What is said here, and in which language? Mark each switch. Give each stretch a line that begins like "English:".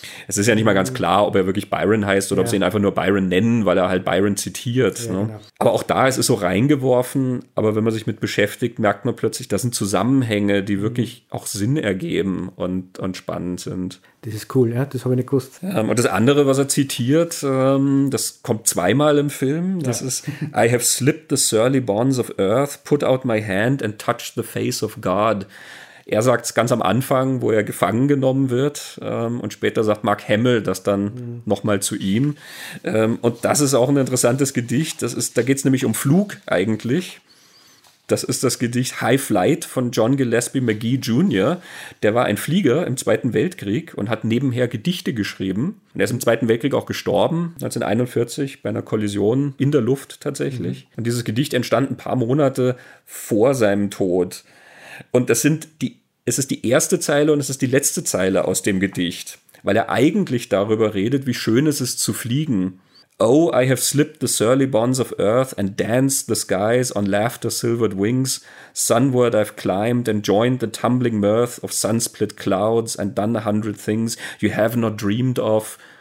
German: Es ist ja nicht mal ganz klar, ob er wirklich Byron heißt oder ob sie ihn einfach nur Byron nennen, weil er halt Byron zitiert. Ja, ne? Genau. Aber auch da ist es so reingeworfen. Aber wenn man sich mit beschäftigt, merkt man plötzlich, das sind Zusammenhänge, die wirklich auch Sinn ergeben und spannend sind. Das ist cool, ja, das habe ich nicht gewusst. Und das andere, was er zitiert, das kommt zweimal im Film. Das ist,
English: I have slipped the surly bonds of earth, put out my hand and touched the face of God.
German: Er sagt es ganz am Anfang, wo er gefangen genommen wird, und später sagt Mark Hamill das dann nochmal zu ihm. Und das ist auch ein interessantes Gedicht. Das ist, da geht es nämlich um Flug eigentlich. Das ist das Gedicht High Flight von John Gillespie McGee Jr. Der war ein Flieger im Zweiten Weltkrieg und hat nebenher Gedichte geschrieben. Und er ist im Zweiten Weltkrieg auch gestorben, 1941, bei einer Kollision in der Luft tatsächlich. Mhm. Und dieses Gedicht entstand ein paar Monate vor seinem Tod. Und das sind die, es ist die erste Zeile und es ist die letzte Zeile aus dem Gedicht, weil er eigentlich darüber redet, wie schön es ist zu fliegen.
English: Oh, I have slipped the surly bonds of earth and danced the skies on laughter-silvered wings. Sunward I've climbed and joined the tumbling mirth of sun-split clouds and done 100 things you have not dreamed of.